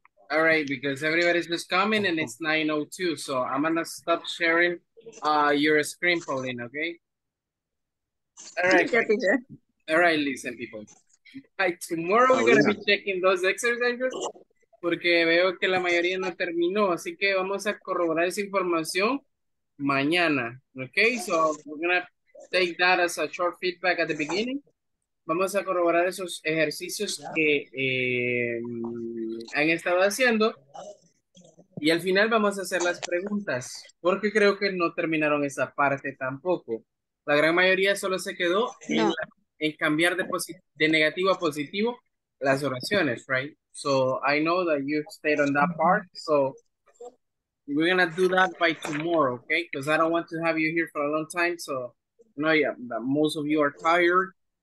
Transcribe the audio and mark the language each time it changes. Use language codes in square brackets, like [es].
[en] All right, because everybody's just coming and it's 9:02, so I'm gonna stop sharing your screen, Pauline, okay? All right. Yeah, all right, listen, people. By tomorrow, we're gonna be checking those exercises. [es] Porque veo que la mayoría no terminó, así que vamos a corroborar esa información mañana, ¿ok? [en] So, we're gonna take that as a short feedback at the beginning. [es] Vamos a corroborar esos ejercicios que han estado haciendo. Y al final vamos a hacer las preguntas, porque creo que no terminaron esa parte tampoco. La gran mayoría solo se quedó en cambiar de negativo a positivo las oraciones, ¿right? [en] So I know that you stayed on that part. So we're gonna do that by tomorrow, okay? Because I don't want to have you here for a long time. So no, yeah, most of you are tired.